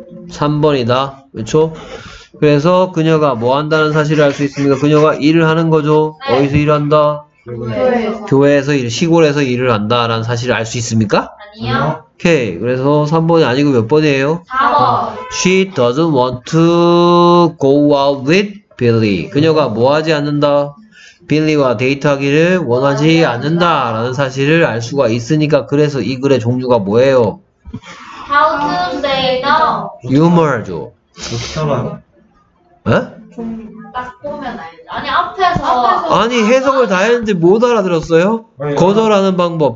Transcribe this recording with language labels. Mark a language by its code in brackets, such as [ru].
[ko] 3번이다, 그쵸? 그래서 그녀가 뭐 한다는 사실을 알 수 있습니까? 그녀가 일을 하는 거죠? 네. 어디서 일한다? 교회에서 일, 시골에서 일을 한다라는 사실을 알 수 있습니까? 아니요. 오케이. 그래서 3번이 아니고 몇 번이에요? 4번. [en] She doesn't want to go out with Billy. [ko] 그녀가 뭐 하지 않는다? Billy와 데이트하기를 원하지 않는다. 라는 사실을 알 수가 있으니까 그래서 이 글의 종류가 뭐예요? [en] How to say no. [ko] 유머죠. 그렇잖아. 에? 딱 보면 알지. 아니 앞에서 아니 해석을 다 했는데 못 알아들었어요? 거절하는 방법.